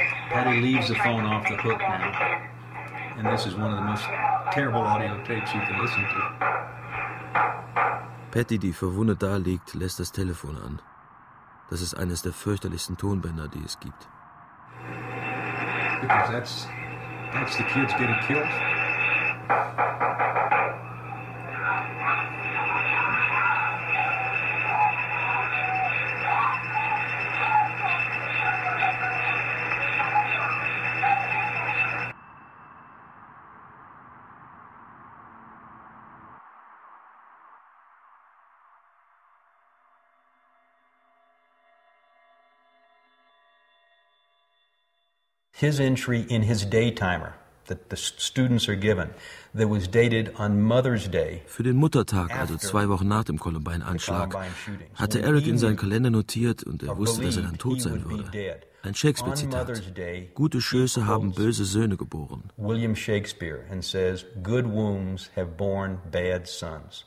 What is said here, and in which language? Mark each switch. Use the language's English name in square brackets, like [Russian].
[English] Patty leaves the phone off the hook now, and this is one of the most terrible audio tapes you can listen to. [German] Patty, die verwundet da liegt, lässt das Telefon an. Das ist eines der fürchterlichsten Tonbänder, die es gibt. [English] Because that's the kids getting killed. His entry in his day timer that the students are given that was dated on Mother's Day. [German] Für den Muttertag, also zwei Wochen nach dem Columbine-Anschlag, hatte Eric in seinen Kalender notiert und er wusste, dass er dann tot sein würde. Ein Shakespeare-Zitat. Gute Schöße haben böse Söhne geboren. [English] William Shakespeare and says, good wombs have borne bad sons.